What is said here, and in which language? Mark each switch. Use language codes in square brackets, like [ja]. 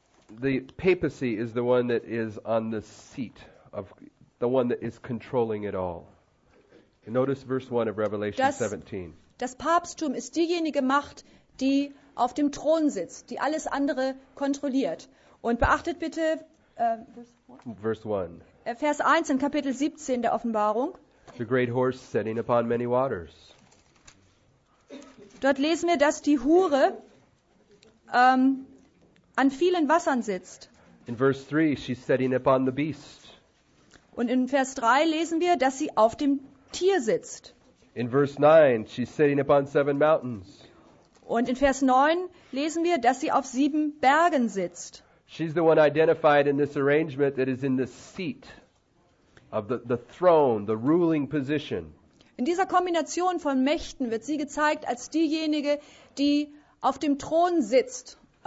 [en] The papacy is the one that is on the seat of the one that is controlling it all. Notice verse 1 of Revelation 17. [de] Das Papsttum ist diejenige Macht, die auf dem Thron sitzt, die alles andere kontrolliert. Und beachtet bitte Vers 1 in Kapitel 17 der Offenbarung. [en] The great horse sitting upon many waters. [de] Dort lesen wir, dass die Hure an vielen Wassern sitzt. [en] In verse 3, she's sitting upon the beast. [de] Und in Vers 3 lesen wir, dass sie auf dem Tier sitzt. [en] In verse 9, she's sitting upon seven mountains. [de] Und in Vers 9 lesen wir, dass sie auf sieben Bergen sitzt. [en] She's the one identified in this arrangement that is in the seat of the throne, the ruling position. [de] In dieser Kombination von Mächten wird sie gezeigt als diejenige, die auf dem Thron sitzt.